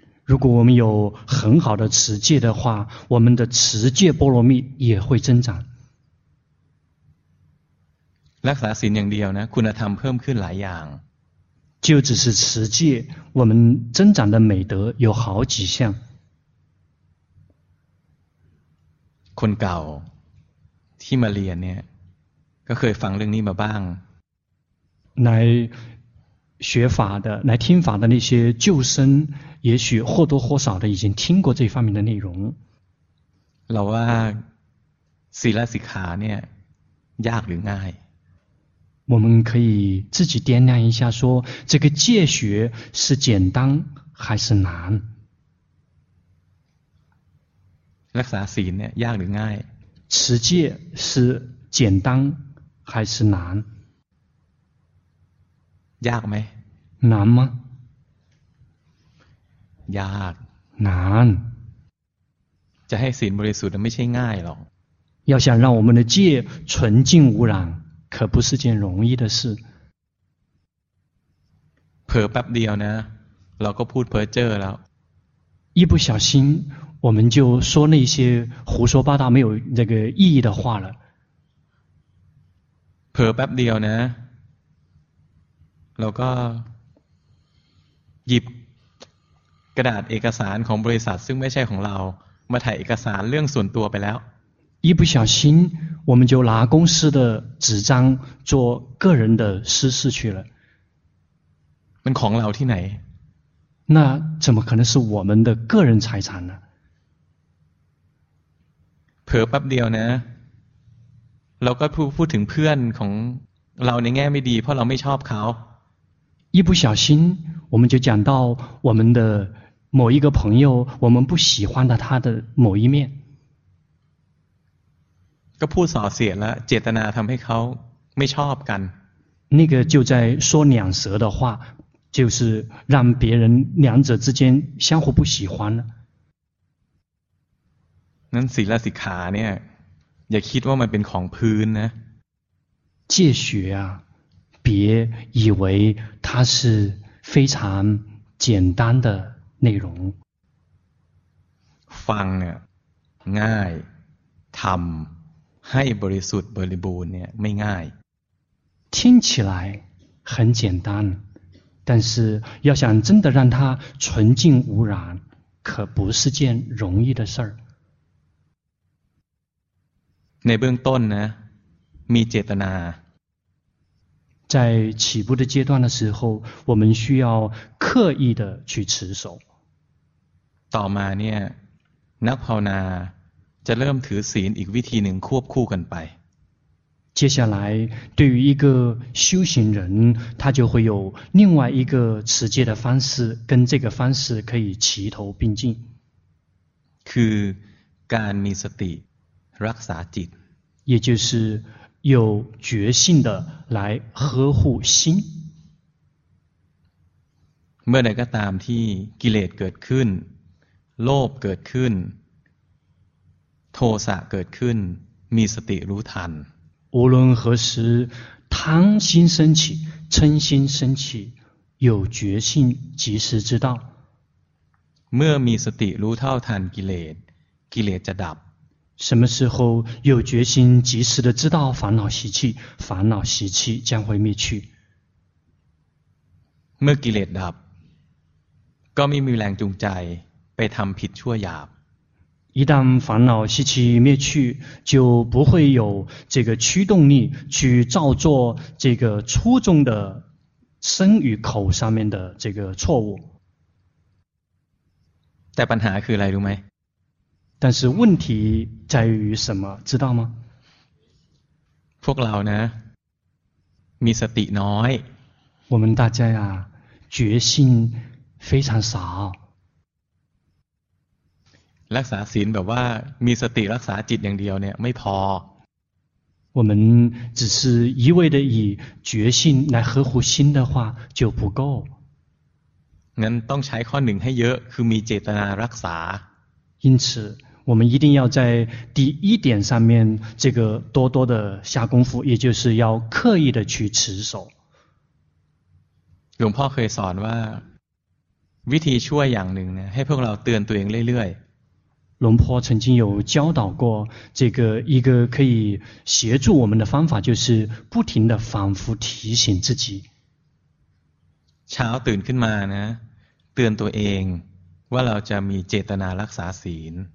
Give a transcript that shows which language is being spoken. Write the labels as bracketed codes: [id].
[zh] 如果我们有很好的持戒的话我们的持戒波罗蜜也会增长 [th] รักษาศีลอย่างเดียวนะคุณธรรมเพิ่มขึ้นหลายอย่าง [zh] 就只是持戒我们增长的美德有好几项 [th] คนเก่าที่มาเรียนเนี่ยก็เคยฟังเรื่องนี้มาบ้าง [zh] 来学法的来听法的那些旧生也许或多或少的已经听过这方面的内容 [th] เราว่าศีลสิกขาเนี่ยยากหรือง่าย [zh] 我们可以自己掂量一下说这个戒学是简单还是难 [th] รักษาศีลเนี่ยยากหรือง่าย [zh] 持戒是简单还是难 [th] ยากไ ห ม นานมั้ย ยาก นาน จะให้ศีลบริสุทธิ์ไม่ใช่ง่ายหรอก [zh] 要想让我们的戒纯净无染可不是件容易的事 [th] เผลอแป๊บเดียวนะเราก็พูดเพ้อเจ้อแล้ว [zh] 一不小心我们就说那些胡说八道没有这个意义的话了 [th] เผลอแป๊บเดียวนะเราก็หยิบกระดาษเอกสารของบริษัทซึ่งไม่ใช่ของเรามาถ่ายเอกสารเรื่องส่วนตัวไปแล้ว [zh] 一不小心我们就拿公司的纸张做个人的私事去了 [th] มันของเราที่ไหน [zh] 那怎么可能是我们的个人财产呢 [th] เผลอปั๊บเดียวนะเราก็พูดถึงเพื่อนของเราในแง่ไม่ดีเพราะเราไม่ชอบเขา [zh] 一不小心我们就讲到我们的某一个朋友我们不喜欢他的某一面 [th] ก็พูดส่อเสียดละเจตนาทำให้เขาไม่ชอบกัน [zh] 那个就在说两舌的话就是让别人两者之间相互不喜欢 [th] นั้นศีลสิกขาเนี่ยอย่าคิดว่ามันเป็นของพื้นนะ [zh] 戒学啊别以为它是非常简单的内容 [th] ฟังง่ายทำให้บริสุทธิ์บริบูรณ์เนี่ยไม่ง่าย [zh] 听起来很简单但是要想真的让它纯净无染可不是件容易的事儿 [th] ในเบื้องต้นนะมีเจตนา [zh] 在起步的阶段的时候我们需要刻意的去持守 [th] ต่อมาเนี่ยนักภาวนาจะเริ่มถือศีลอีกวิธีหนึ่งควบคู่กันไป [zh] 接下来对于一个修行人他就会有另外一个持戒的方式跟这个方式可以齐头并进 [th] คือการมีสติรักษาจิต [zh] 也就是有决心的来呵护心 [th] เมื่อใดก็ตามที่กิเลสเกิดขึ้นโลภเกิดขึ้นโทสะเกิดขึ้นมีสติรู้ทัน [zh] 无论何时贪心升起嗔心升起有决心及时知道 [th] เมื่อมีสติรู้เท่าทันกิเลสกิเลสจะดับ [zh] 什么时候有决心及时的知道烦恼习气烦恼习气将会灭去 [th] เมื่อกิเลสดับก็ไม่มีแรงจูงใจไปทำผิดชั่วหยาบ [zh] 一旦烦恼习气灭去就不会有这个驱动力去造作这个初衷的身与口上面的这个错误 [th] แต่ปัญหาคืออะไรรู้ไหม [zh] 但是问题在于什么知道吗 [th] พวกเรานะมีสติน้อย [zh] 我们大家呀决心非常少 [th] รักษาศีลแบบว่ามีสติรักษาจิตอย่างเดียวเนี่ยไม่พ [zh] อ我们只是一味的以决心来呵护心的话就不够 [th] งั้นต้องใช้ข้อหนึ่งให้เยอะคือมีเจตนารักษา [zh] 因此我们一定要在第一点上面这个多多的下功夫也就是要刻意的去持守 [th] หลวงพ่อเคยสอนว่าวิธีช่วยอย่างหนึ่งเนี่ยให้พวกเราเตือนตัวเองเรื่อยๆ [zh] 龙坡曾经有教导过这个一个可以协助我们的方法就是不停的反复提醒自己 [th] เช้าตื่นขึ้นมานะเตือนตัวเองว่าเราจะมีเจตนารักษาศีล